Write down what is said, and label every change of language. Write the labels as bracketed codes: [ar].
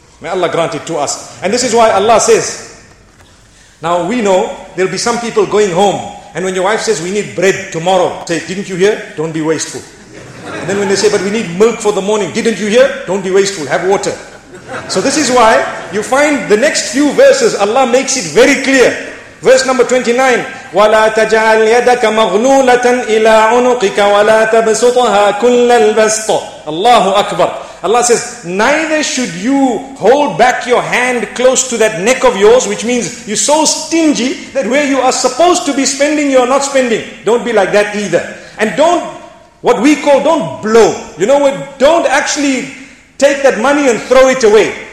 [en] May Allah grant it to us. And this is why Allah says, now we know there'll be some people going home. And when your wife says, we need bread tomorrow, say, didn't you hear? Don't be wasteful. And then when they say, but we need milk for the morning, didn't you hear? Don't be wasteful, have water. So this is why you find the next few verses, Allah makes it very clear. Verse number 29, [ar] وَلَا تَجْعَلْ يَدَكَ مَغْلُولَةً إِلَىٰ عُنُقِكَ وَلَا تَبْسُطَهَا كُلَّ الْبَسْطَ. Allahu Akbar. [en] Allah says, neither should you hold back your hand close to that neck of yours, which means you're so stingy that where you are supposed to be spending, you're not spending. Don't be like that either. And don't, what we call, don't blow. You know what? Don't actually take that money and throw it away.